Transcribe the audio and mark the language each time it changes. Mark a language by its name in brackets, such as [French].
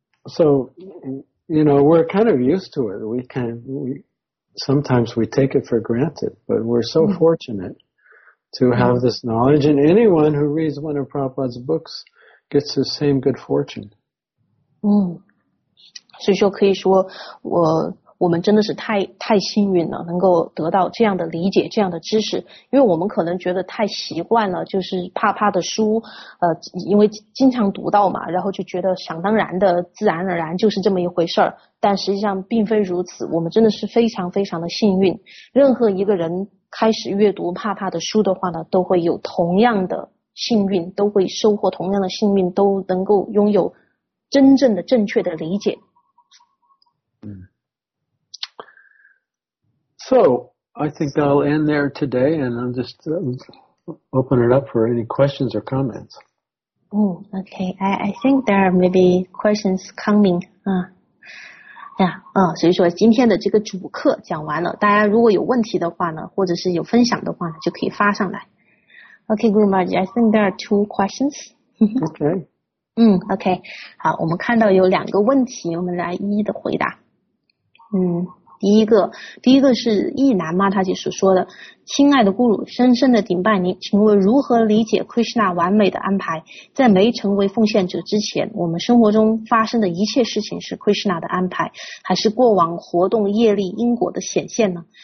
[English] So,You know, we're kind of used to it. Sometimes we take it for granted, but we're so fortunate to have this knowledge. And anyone who reads one of Prabhupada's books gets the same good fortune. [Chinese] 所以说可以说我们真的是太幸运了，能够得到这样的理解，这样的知识。因为我们可能觉得太习惯了，就是帕帕的书，因为经常读到嘛，然后就觉得想当然的，自然而然就是这么一回事儿。但实际上并非如此，我们真的是非常非常的幸运。任何一个人开始阅读帕帕的书的话呢，都会有同样的幸运，都会收获同样的幸运，都能够拥有真正的正确的理解。 [English] So, I think I'll end there today, and I'll just open it up for any questions or comments. Okay. I think there are maybe questions coming. Yeah. [Chinese] 所以说今天的这个主课讲完了，大家如果有问题的话呢，或者是有分享的话呢，就可以发上来。 [English] Okay, Guru Maharaj, I think there are two questions. Okay. Okay. [Chinese] 好，我们看到有两个问题，我们来一一的回答。第一个是意男妈他姐所说的，亲爱的 Guru， 深深的顶拜您，请问如何理解 Krishna 完美的安排？在没成为奉献者之前，我们生活中发生的一切事情是 Krishna 的安排，还是过往活动业力因果的显现呢？